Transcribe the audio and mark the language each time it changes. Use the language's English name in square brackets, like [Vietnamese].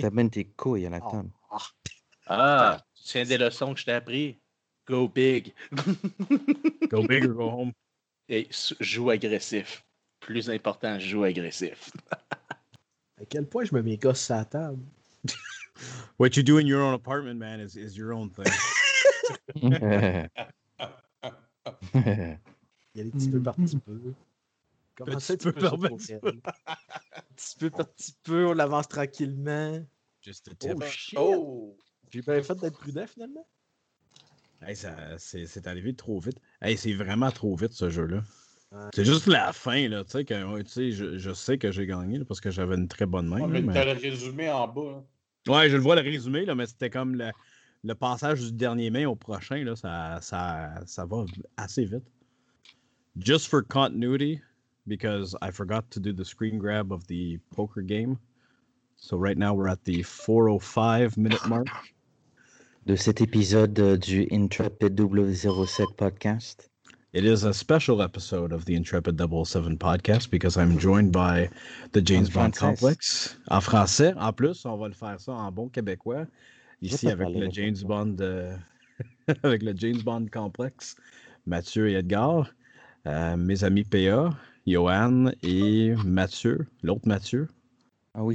[French] T'amènes tes couilles à la table. Ah, tu tiens des leçons que je t'ai appris. [English] Go big. Go big or go home. [French] Et joue agressif. Plus important, joue agressif. À quel point je me mets gosse sur la table? [English] What you do in your own apartment, man, is your own thing. [French] Il y a des petits peu par petit peu. Comment ça, petit peu par petit peu? Petit peu par petit peu, on avance tranquillement. [English] Just a tip. Oh, shit! [French] Oh. J'ai bien fait d'être prudent, finalement. Hey, ça, c'est arrivé trop vite. Hey, c'est vraiment trop vite ce jeu-là. Ouais. C'est juste la fin, là. Tu sais, je sais que j'ai gagné là, parce que j'avais une très bonne main. Ouais, mais t'as le résumé en bas. Hein. Ouais, je le vois le résumé, là, mais c'était comme le passage du dernier main au prochain. Là, ça va assez vite. [English] Just for continuity, because I forgot to do the screen grab of the poker game. So right now we're at the 405 minute mark. [French] De cet épisode du Intrepid 007 podcast. [English] It is a special episode of the Intrepid 007 podcast because I'm joined by the James Bond complex. [French] En français, en plus, on va le faire ça en bon québécois. Ici, avec le James Bond, avec le James Bond complex, Mathieu et Edgar, mes amis PA, Johan et Mathieu, l'autre Mathieu. Ah oui,